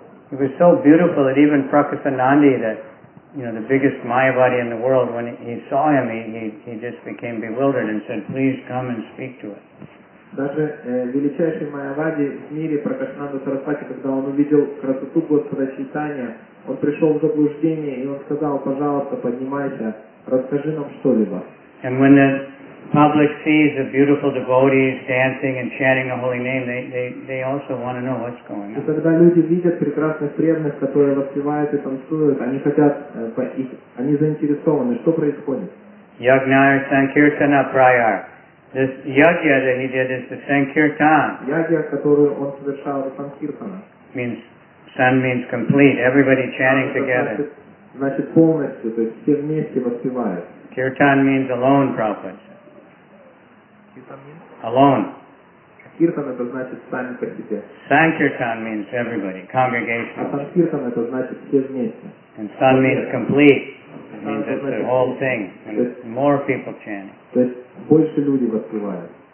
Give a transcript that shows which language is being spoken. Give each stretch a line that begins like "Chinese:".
English: He was so beautiful that even Prakasanandi, that you know, the biggest Mayavadi in the world, when he saw him, he just became bewildered and said, "Please come and speak to us."
Russian: Даже величайший Майавади в мире, Пракашнанда Сарасвати, когда он увидел красоту Господа Чайтанья, он пришел в заблуждение, и он сказал: пожалуйста, поднимайся, расскажи нам что-либо.
English: And when the public sees the beautiful devotees dancing and chanting the holy name, they also want to know what's going on.
Russian: И когда люди видят прекрасных преданных, которые воспевают и танцуют, они хотят, они заинтересованы, что происходит.
Sanskrit: Yajnaya Sankirtana Prayar.
English: This yajna that he did is the Sankirtan.
Russian: Yajna, которую он совершал, Sankirtana.
English: Means, sun means complete, everybody chanting together.
Russian: Значит полностью, то есть все вместе воспевают.
English: Kirtan means alone, Prabhupada. Alone.
Russian: Kirtan, это значит сами по себе.
English: Sankirtan means everybody, congregation.
Russian: А Sankirtan, это значит все вместе.
English: And sun means complete. It means it's the whole thing. And more people chanting.
Russian: То есть больше люди воспевают.